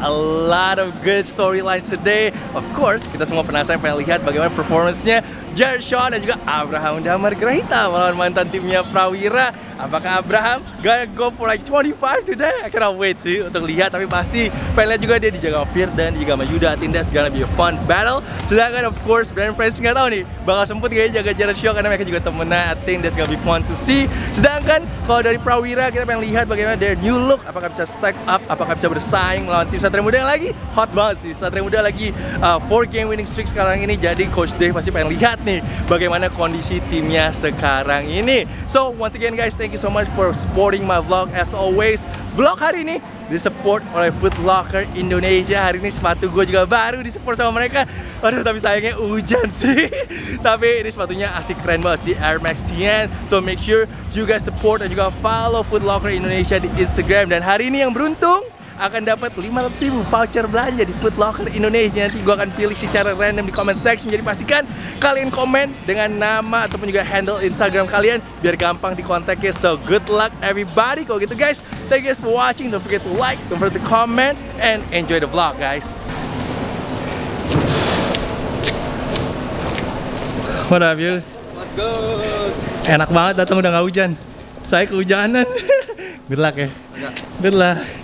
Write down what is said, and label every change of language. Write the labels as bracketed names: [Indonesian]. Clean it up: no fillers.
[English] A lot of good storylines today. [Indonesian] Of course, kita semua penasaran pengen lihat bagaimana performance-nya Jared Shaw dan juga Abraham Damar Grahita melawan mantan timnya Prawira. Apakah Abraham [English] gonna go for like 25 today? I cannot wait [Indonesian] sih untuk lihat, tapi pasti pengen lihat juga dia dijaga Fir dan juga sama Yudha. [English] I think that's gonna be a fun battle. [Indonesian] Sedangkan of course Brandone Francis gak tahu nih bakal sempet gak jaga Jared Shaw karena mereka juga temenan. [English] I think that's gonna be fun to see. [Indonesian] Sedangkan kalau dari Prawira, kita pengen lihat bagaimana [English] their new look, [Indonesian] apakah bisa [English] stack up, [Indonesian] apakah bisa bersaing melawan tim Satria Muda yang lagi hot banget sih. Satria Muda lagi 4 game [English] winning streak [Indonesian] sekarang ini, jadi Coach Dave pasti pengen lihat nih bagaimana kondisi timnya sekarang ini. [English] So once again guys, thank you so much for supporting my vlog. As always, [Indonesian] vlog hari ini disupport oleh [English] Foot Locker Indonesia. [Indonesian] Hari ini sepatu gue juga baru disupport sama mereka. Aduh, tapi sayangnya hujan sih. Tapi ini sepatunya asik, keren banget sih, Air Max TN. [English] So make sure you guys support [Indonesian] dan juga [English] follow [Indonesian] Foot Locker Indonesia di Instagram. Dan hari ini yang beruntung akan dapat 500.000 voucher belanja di Foot Locker Indonesia. Nanti gue akan pilih secara random di comment section. Jadi pastikan kalian komen dengan nama ataupun juga handle Instagram kalian biar gampang dikontaknya. [English] So good luck everybody. [Indonesian] Kalau gitu [English] guys, thank you guys for watching. Don't forget to like, don't forget to comment, and enjoy the vlog guys. What up you? Let's go. [Indonesian] Enak banget datang udah gak hujan. Saya kehujanan. [English] Good luck [Indonesian] ya. [English] Good luck.